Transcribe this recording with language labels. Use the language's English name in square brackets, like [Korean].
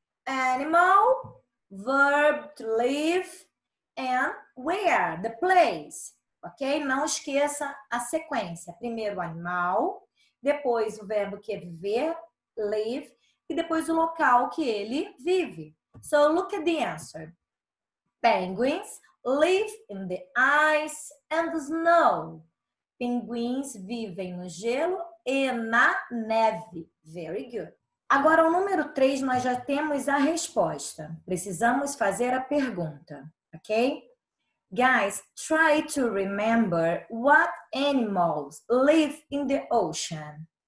[English] Animal, verb to live, and where, the place. [Portuguese] Ok? Não esqueça a sequência. Primeiro, o animal. Depois o verbo que é viver, live, e depois o local que ele vive. [English] So look at the answer. Penguins live in the ice and the snow. [Portuguese] Pinguins vivem no gelo e na neve. [English] Very good. [Portuguese] Agora, o número 3, nós já temos a resposta. Precisamos fazer a pergunta, ok? [English] Guys, try to remember what animals live in the ocean.